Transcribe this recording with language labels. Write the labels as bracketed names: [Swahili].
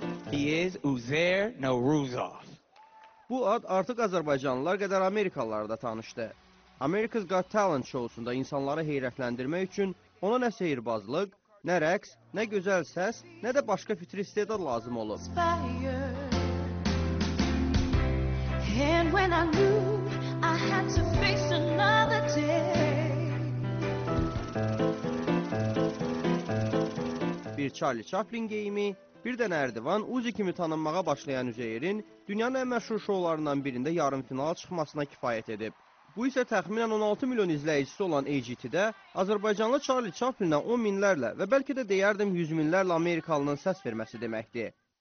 [English] He is Uzair Nowruzov. [Azerbaijani] Bu ad artıq Azərbaycanlılar qədər Amerikalılara da tanışdı. America's Got Talent şousunda insanları heyrətləndirmək üçün ona nə sehirbazlıq, nə rəqs, nə gözəl səs, nə də başqa fitri istedad lazım olur. [English] And when I knew I had to face another day. [Azerbaijani] Bir Charlie Chaplin geyimi, bir də Nərdivan Uzi kimi tanınmağa başlayan Üzeyirin dünyanın ən məşhur şoularından birində yarım finala çıxmasına kifayət edib. Bu isə təxminən 16 milyon izləyicisi olan AGT-də Azərbaycanlı Charlie Chaplin-ə 10 minlərlə və bəlkə də deyərdim 100 minlərlə Amerikalının səs verməsi deməkdir.